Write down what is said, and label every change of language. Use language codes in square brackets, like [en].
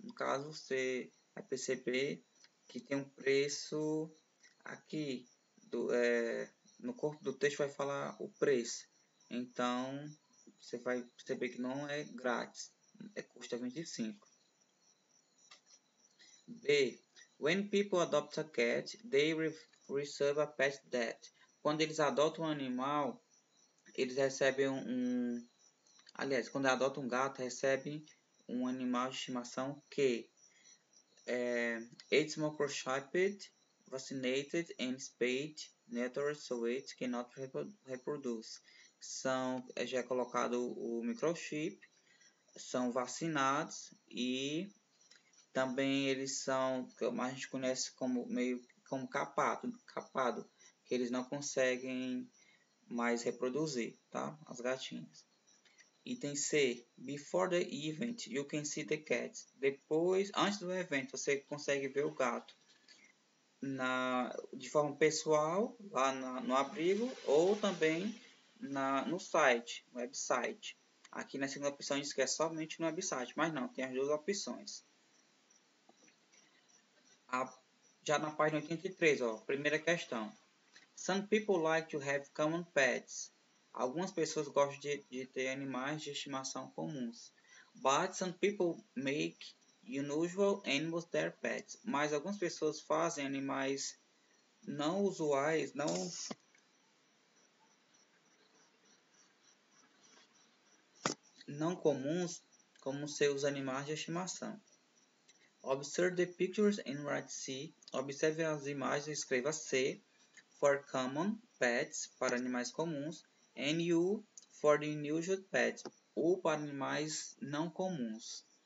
[pt] No caso, você vai perceber que tem um preço aqui. No corpo do texto vai falar o preço. Então, você vai perceber que não é grátis. Custa $25. B. [en] When people adopt a cat, they receive a pet debt. [pt] Quando eles adotam um animal, eles recebem aliás, quando adotam um gato, recebem um animal de estimação que é [en] it's microchipped, vaccinated and spayed, neutered, so it cannot reproduce. [pt] Já é colocado o microchip, são vacinados e também eles são, que a gente conhece como meio como capado, que eles não conseguem mais reproduzir, tá? As gatinhas. Item C. [en] Before the event, you can see the cats. [pt] Depois, antes do evento, você consegue ver o gato de forma pessoal, lá no abrigo, ou também no site, no website. Aqui na segunda opção diz que é somente no website, mas não, tem as duas opções. Já na página 83, ó, primeira questão. [en] Some people like to have common pets. [pt] Algumas pessoas gostam de ter animais de estimação comuns. [en] But some people make unusual animals their pets. [pt] Mas algumas pessoas fazem animais não usuais, não. Não comuns, como seus animais de estimação. [en] Observe the pictures and write C. [pt] Observe as imagens e escreva C [en] for common pets, [pt] para animais comuns, [en] and U for the unusual pets, [pt] ou para animais não comuns.